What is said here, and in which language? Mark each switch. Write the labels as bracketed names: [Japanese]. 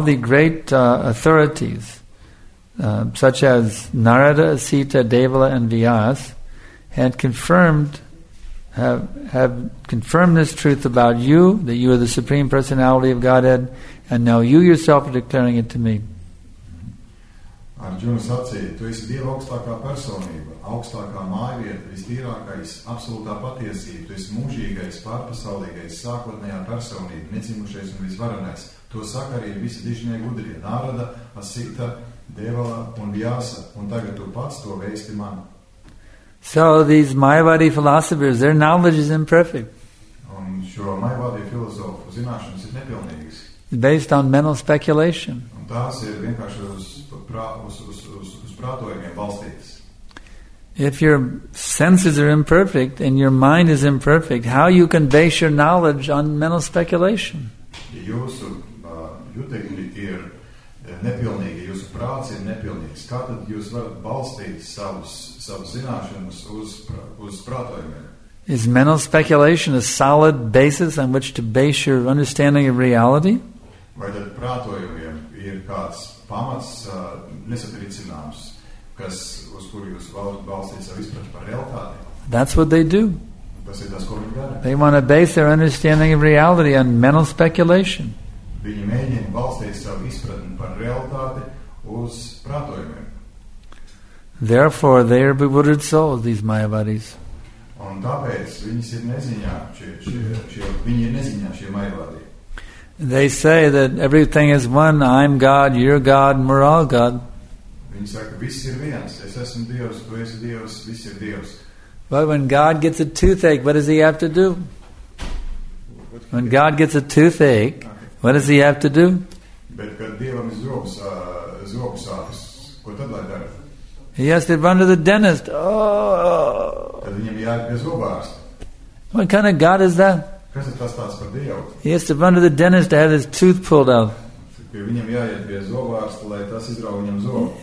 [English] all the great authorities, such as Narada, Sita, Devala, and Vyas, have confirmed this truth about you, that you are the Supreme Personality of Godhead, and now you yourself are declaring it to me. [Latvian] Arjuna sacīja, tu esi Dieva augstākā personība, augstākā mājvieta, visdīrākais, absolūtā patiesība, tu esi mūžīgais, pārpasaulīgais, sākotnējā personība, nedzimušais un visvaranais. To saka arī visi dižinie gudrie, Narada, Asita, Devala un Vyasa, un tagad tu pats to veisti man. [English] So these Mayavadi philosophers, their knowledge is imperfect. [Latvian] Un šo Mayavadi filozofu zināšanas ir nepilnīgas. [English] Based on mental speculation. [Latvian] Un tās ir vienkārši uz prātojumiem balstītas. [English] If your senses are imperfect and your mind is imperfect, how you can base your knowledge on mental speculation? [Latvian] Ja jūsu jutekļi ir nepilnīgi, jūsu prāts ir nepilnīgs, kā tad jūs varat balstīt savus zināšanas uz prātojumiem? [English] Is mental speculation a solid basis on which to base your understanding of reality? [Latvian] Vai tad prātojumiem ir kāds pamats nesatricināms, uz kuru jūs balstīt savu izpratni par realitāti? [English] That's what they do. [Latvian] Tas ir tas, ko viņi dara. [English] They want to base their understanding of reality on mental speculation. [Latvian] Viņi mēģina balstīt savu izpratni par realitāti uz prātojumiem. [English] Therefore, they are bewildered souls, these Mayavadis. [Latvian] Un tāpēc viņas ir neziņā, viņi ir neziņā, šie Mayavadi. [English] They say that everything is one, I'm God, you're God, and we're all God. [Latvian] Viņi saka, viss ir viens, es esmu Dievs, tu esi Dievs, viss ir Dievs. [English] But when God gets a toothache, what does he have to do? When God gets a toothache, what does he have to do? [Latvian] Bet kad Dievam ir zobs sāpes, ko tad lai dara? [English] He has to run to the dentist. [Latvian] Tad viņam jāiet pie zobārsta. [English] What kind of God is that? [Latvian] Kas ir tas tāds par Dievu? [English] He has to run to the dentist to have his tooth pulled out. [Latvian] Viņam jāiet pie zobārsta, lai tas izrauj viņam zobu.